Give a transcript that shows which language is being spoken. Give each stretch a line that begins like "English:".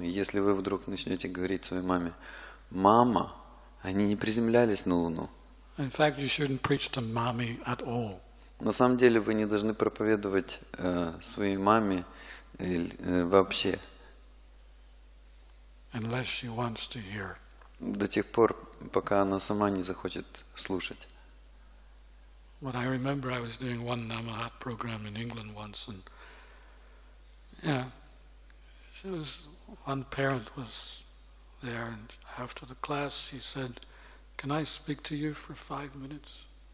Russian: Если вы вдруг начнете говорить своей маме: «Мама, они не приземлялись на Луну».
English: In fact, you shouldn't preach to mommy at all.
Russian: На самом деле вы не должны проповедовать своей маме вообще.
English: Unless she wants to hear.
Russian: До тех пор, пока она сама не захочет слушать.
English: But I remember I was doing one Namahat program in England once, and yeah, she was one parent was there, and after the class she said, "Can I speak to you for 5 minutes?"